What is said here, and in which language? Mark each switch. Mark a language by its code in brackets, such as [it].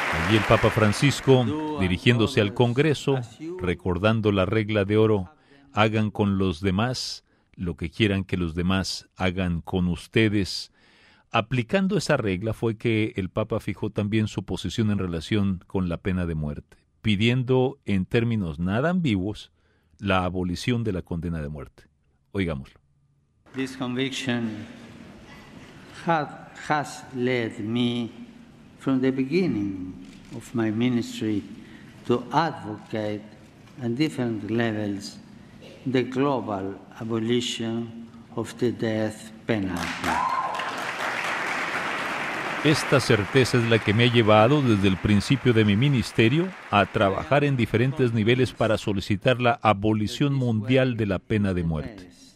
[es] Y el Papa Francisco, dirigiéndose al Congreso, recordando la regla de oro: hagan con los demás lo que quieran que los demás hagan con ustedes. Aplicando esa regla fue que el Papa fijó también su posición en relación con la pena de muerte, pidiendo, en términos nada ambiguos, la abolición de la condena de muerte. Oigámoslo. [en] This conviction has led me from the beginning of my ministry to advocate at different levels the global abolition of the death penalty. [es] Esta certeza es la que me ha llevado desde el principio de mi ministerio a trabajar en diferentes niveles para solicitar la abolición mundial de la pena de muerte.